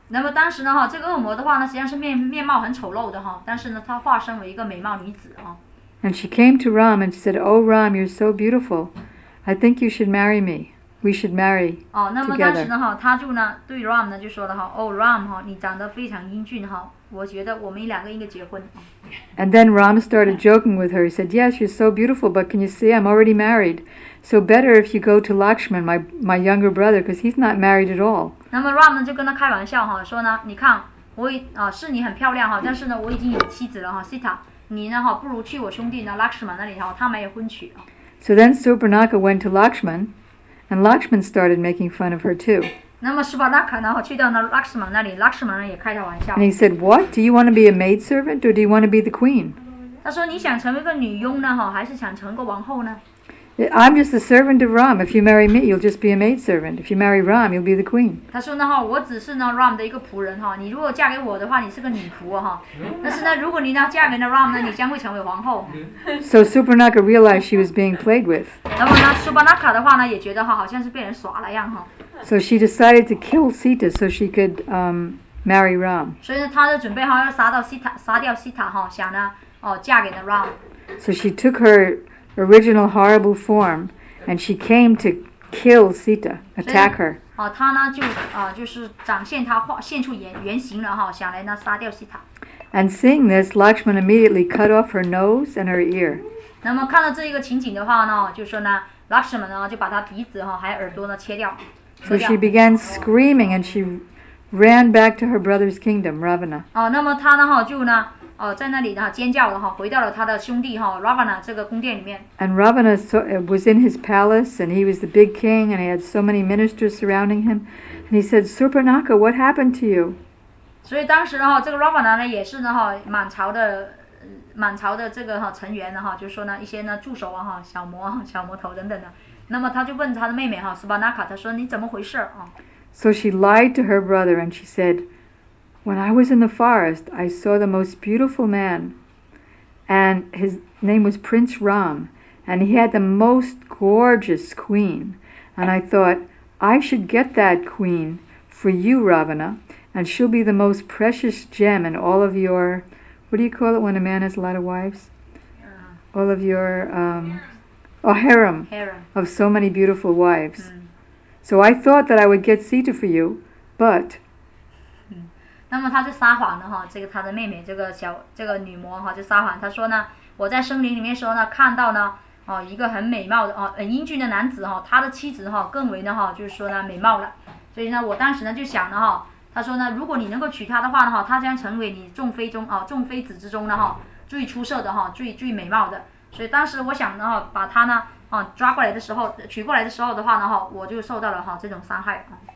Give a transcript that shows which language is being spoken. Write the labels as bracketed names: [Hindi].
[Chinese] 那么当时呢，这个恶魔的话呢，实际上是面貌很丑陋的，但是呢，她化身为一个美貌女子， [English] And she came to Ram and she said, Oh Ram, you're so beautiful. I think you should marry me. We should marry together. [Chinese] 那么当时呢，她就呢，对 Ram 呢就说了，Oh Ram, 你长得非常英俊，我觉得我们两个应该结婚。 [English] And then Ram started joking with her. He said, Yes, you're so beautiful, but can you see I'm already married? So better if you go to Lakshman, my younger brother, because he's not married at all. [Chinese] 那么 Ram 呢就跟他开玩笑说呢，你看我是你很漂亮但是呢我已经有妻子了Sita, 你呢不如去我兄弟呢 Lakshman 那里他们也婚娶。 [English] So then Surpanaka went to Lakshman, and Lakshman started making fun of her too. [Chinese] 那么 Surpanaka 呢去到了 Lakshman 那里 ，Lakshman 也开他玩笑。 [English] And he said, "What? Do you want to be a maid servant or do you want to be the queen?" [Chinese] 他说你想成为个女佣呢还是想成个王后呢？ [English] I'm just the servant of Ram. If you marry me, you'll just be a maid servant. If you marry Ram, you'll be the queen. [Chinese] 他说呢我只是呢 Ram 的一个仆人你如果嫁给我的话，你是个女仆但是呢，如果你呢嫁给了 Ram 呢，你将会成为皇后。 [English] So Supernaka realized she was being played with. [Chinese] 然后呢 ，Supernaka 的话呢，也觉得好像是被人耍了样 [English] So she decided to kill Sita so she could marry Ram. [Chinese] 所以呢，她就准备要杀掉 Sita 想呢嫁给了 Ram. [English] So she took her. Original horrible form, and she came to kill Sita, attack her. [Chinese] 她呢就就是展现她现出原形了想来呢杀掉 Sita. [English] And seeing this, Lakshman immediately cut off her nose and her ear. [Chinese] 那么看到这一个情景的话呢，就说呢 ，Lakshman 呢就把她鼻子还有耳朵呢切掉。 [English] So she began screaming, and she ran back to her brother's kingdom, Ravana. [Chinese] 那么她呢就呢。在那里呢尖叫了回到了他的兄弟Ravana 这个宫殿里面。 [English] And Ravana was in his palace, and he was the big king, and he had so many ministers surrounding him. And he said, Surpanaka, what happened to you? [Chinese] 所以当时呢这个 Ravana 呢也是呢满朝的这个成员就是说呢一些呢助手小魔头等等的。那么他就问他的妹妹Surpanaka, 他说你怎么回事 [English] So she lied to her brother, and she said,When I was in the forest, I saw the most beautiful man, and his name was Prince Ram, and he had the most gorgeous queen. And I thought, I should get that queen for you, Ravana, and she'll be the most precious gem in all of your, what do you call it when a man has a lot of wives? All of your, harem of so many beautiful wives. So I thought that I would get Sita for you, but... [Chinese] 那么他就撒谎了这个他的妹妹这个女魔就撒谎，他说呢，我在森林里面时候呢，看到呢，一个很美貌的很英俊的男子他的妻子更为呢就是说呢美貌了，所以呢，我当时呢就想呢他说呢，如果你能够娶她的话呢她将成为你众妃中众妃子之中的最出色的最美貌的，所以当时我想呢把她呢抓过来的时候娶过来的时候的话呢我就受到了这种伤害。